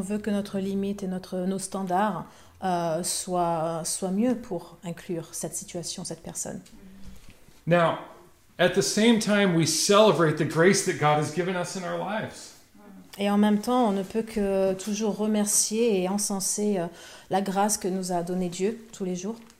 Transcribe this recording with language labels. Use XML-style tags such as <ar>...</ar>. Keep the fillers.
<fr>veut que notre limite et notre, nos standards euh, soient, soient, mieux pour inclure cette situation, cette personne.</fr> <en>Now, at the same time, we celebrate the grace that God has given us in our lives.</en> <fr>Et en même temps, on ne peut que toujours remercier et encenser la grâce que nous a donnée Dieu tous les jours.</fr>